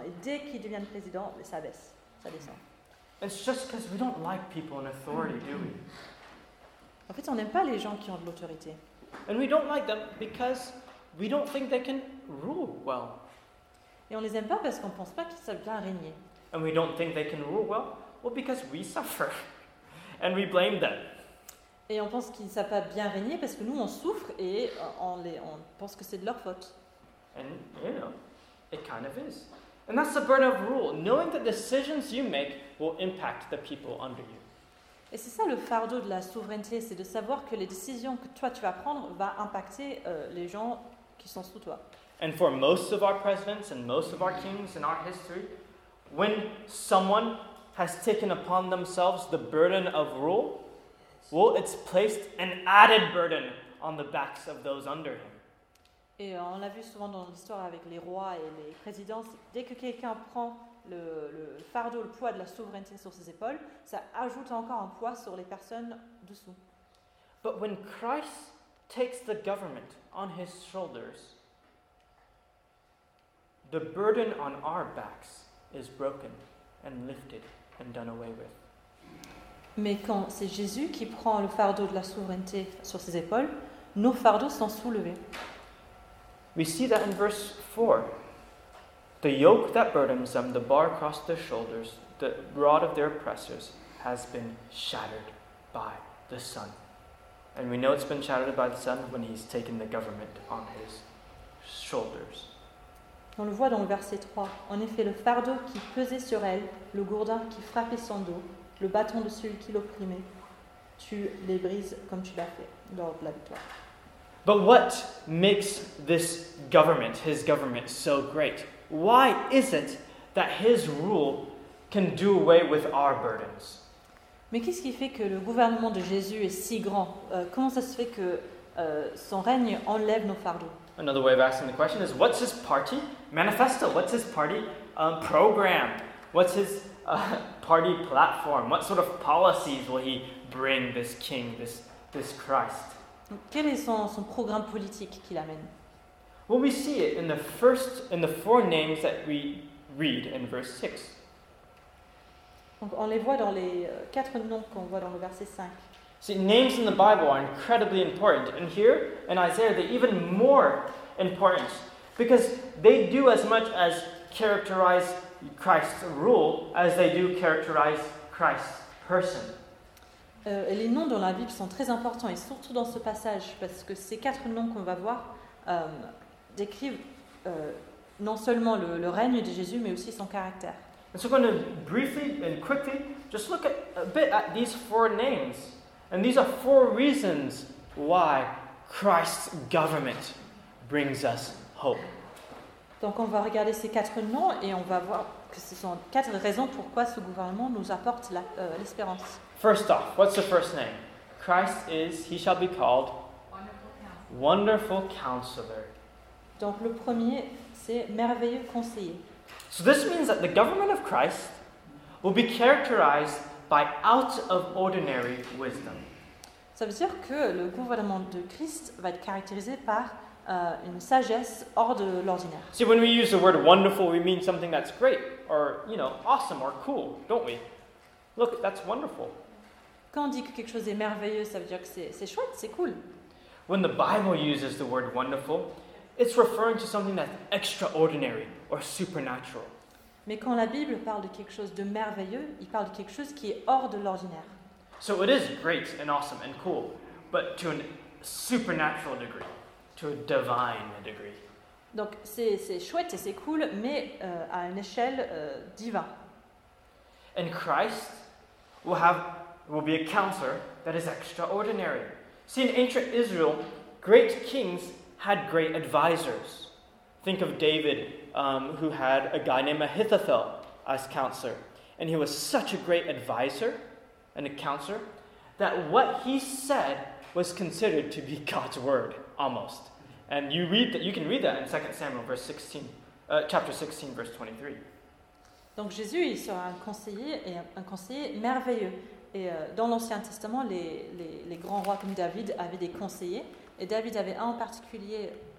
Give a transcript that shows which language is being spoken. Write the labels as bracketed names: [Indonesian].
[French] Et dès qu'ils deviennent président, ça baisse, ça descend. [English] It's just because we don't like people in authority, do we? [French] En fait, on n'aime pas les gens qui ont de l'autorité. [English] And we don't like them because we don't think they can rule well. [French] Et on les aime pas parce qu'on pense pas qu'ils savent bien régner. [English] And we don't think they can rule well. Well, because we suffer, and we blame them. [French] Et on pense qu'ils ne savent pas bien régner parce que nous, on souffre et on pense que c'est de leur faute. [English] And, you know, it kind of is. And that's the burden of rule, knowing that decisions you make will impact the people under you. [French] Et c'est ça le fardeau de la souveraineté, c'est de savoir que les décisions que toi, tu vas prendre vont impacter les gens qui sont sous toi. [English] And for most of our presidents and most of our kings in our history, when someone has taken upon themselves the burden of rule, well, it's placed an added burden on the backs of those under him. [French] Et on l'a vu souvent dans l'histoire avec les rois et les présidents, dès que quelqu'un prend le fardeau, le poids de la souveraineté sur ses épaules, ça ajoute encore un poids sur les personnes dessous. [English] But when Christ takes the government on his shoulders, the burden on our backs is broken and lifted and done away with. [French] Mais quand c'est Jésus qui prend le fardeau de la souveraineté sur ses épaules, nos fardeaux sont soulevés. [English] We see that in verse 4. The yoke that burdens them, the bar across their shoulders, the rod of their oppressors, has been shattered by the Son. And we know it's been shattered by the Son when he's taken the government on his shoulders. [French] On le voit dans le verset 3. En effet, le fardeau qui pesait sur elle, le gourdin qui frappait son dos, le bâton de celui qui l'opprimait, tu les brises comme tu l'as fait lors de la victoire. [English] But what makes this government, his government, so great? Why is it that his rule can do away with our burdens? [French] Mais qu'est-ce qui fait que le gouvernement de Jésus est si grand? Comment ça se fait que son règne enlève nos fardeaux? [English] Another way of asking the question is, what's his party manifesto? What's his party program? What's his party platform? What sort of policies will he bring, this king, this Christ? [French] Quel est son programme politique qu'il amène? [English] Well, we see it in the four names that we read in verse 6. [French] Donc on les voit dans les quatre noms qu'on voit dans le verset 5. [English] See, names in the Bible are incredibly important. And here, in Isaiah, they're even more important. Because they do as much as characterize Christ's rule as they do characterize Christ's person. [French] Les noms dans la Bible sont très importants, et surtout dans ce passage, parce que ces quatre noms qu'on va voir décrivent non seulement le règne de Jésus, mais aussi son caractère. [English] And so we're going to briefly and quickly just look a bit at these four names. And these are four reasons why Christ's government brings us hope. [French] Donc on va regarder ces quatre noms et on va voir que ce sont quatre raisons pourquoi ce gouvernement nous apporte l'espérance. [English] First off, what's the first name? Christ is, he shall be called Wonderful Counselor. [French] Donc le premier, c'est Merveilleux Conseiller. [English] So this means that the government of Christ will be characterized by out of ordinary wisdom. [French] Ça veut dire que le gouvernement de Christ va être caractérisé par une sagesse hors de l'ordinaire. [English] See, when we use the word wonderful, we mean something that's great or, you know, awesome or cool, don't we? Look, that's wonderful. [French] Quand on dit que quelque chose est merveilleux, ça veut dire que c'est chouette, c'est cool. [English] When the Bible uses the word wonderful, it's referring to something that's extraordinary or supernatural. [French] Mais quand la Bible parle de quelque chose de merveilleux, il parle de quelque chose qui est hors de l'ordinaire. [English] So it is great and awesome and cool, but to a supernatural degree, to a divine degree. [French] Donc c'est chouette et c'est cool, mais à une échelle divine. [English] And Christ will be a counselor that is extraordinary. See, in ancient Israel, great kings had great advisors. Think of David, who had a guy named Ahithophel as counselor. And he was such a great advisor and a counselor that what he said was considered to be God's word, almost. And you can read that in 2 Samuel verse 16, chapter 16, verse 23. [French] Donc Jésus, il sera un conseiller, et un conseiller merveilleux. Et dans l'Ancien Testament, les grands rois comme David avaient des conseillers. Et David avait un en particulier.